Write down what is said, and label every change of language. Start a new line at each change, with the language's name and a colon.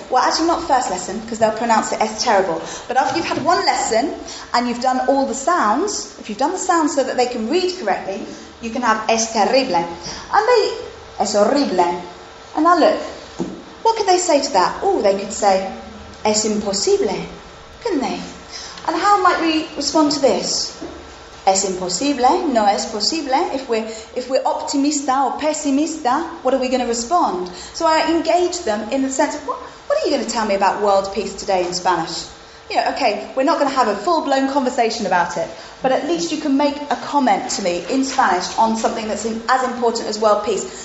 English: Well, actually, not first lesson, because they'll pronounce it
Spanish: es terrible.
English: But after you've had 1 lesson, and you've done all the sounds, if you've done the sounds so that they can read correctly, you can have
Spanish: es terrible.
English: And they,
Spanish: es horrible.
English: And now look, what could they say to that? Oh, they could say,
Spanish: es imposible,
English: couldn't they? And how might we respond to this?
Spanish: Es imposible, no es posible.
English: If we're optimista or pessimista, what are we going to respond? So I engage them in the sense of, what are you going to tell me about world peace today in Spanish? You know, okay, we're not going to have a full-blown conversation about it, but at least you can make a comment to me in Spanish on something that's as important as world peace.